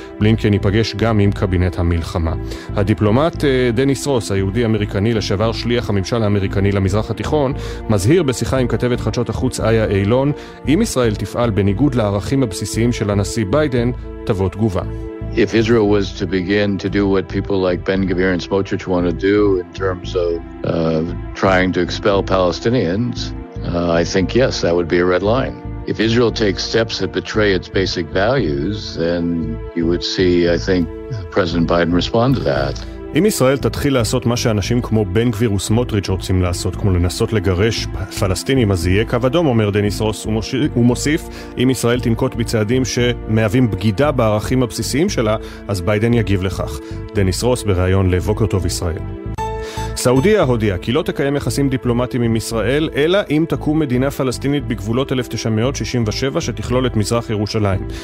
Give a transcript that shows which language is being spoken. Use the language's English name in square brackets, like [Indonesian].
[Hebrew] בלינקן ייפגש גם עם קבינט המלחמה. הדיפלומט דניס רוס, היהודי-אמריקני לשעבר שליח הממשל האמריקני למזרח התיכון, מזהיר בשיחה עם כתבת חדשות החוץ איה אילון, אם ישראל תפעל בניגוד לערכים הבסיסיים של הנשיא ביידן, תבוא תגובה. [English] If Israel was to begin to do what people like Ben Gavir and Smotrich want to do in terms of trying to expel Palestinians, I think yes, that would be a red line. If Israel takes steps that betray its basic values, then you would see, I think, President Biden respond to that. [Hebrew] אם ישראל תתחיל לעשות מה שאנשים כמו בן גביר וסמוטריץ' רוצים לעשות, כמו לנסות לגרש פלסטינים, אז יהיה קו אדום, אומר דניס רוס, ומוסיף, אם ישראל תנקוט בצעדים שמהווים בגידה בערכים הבסיסיים שלה, אז ביידן יגיב לכך. דניס רוס בריאיון לבוקר טוב ישראל. סעודיה הודיעה כי לא תקיים יחסים דיפלומטיים עם ישראל, אלא אם תקום מדינה פלסטינית בגבולות 1967 שתכלול את מזרח ירושלים.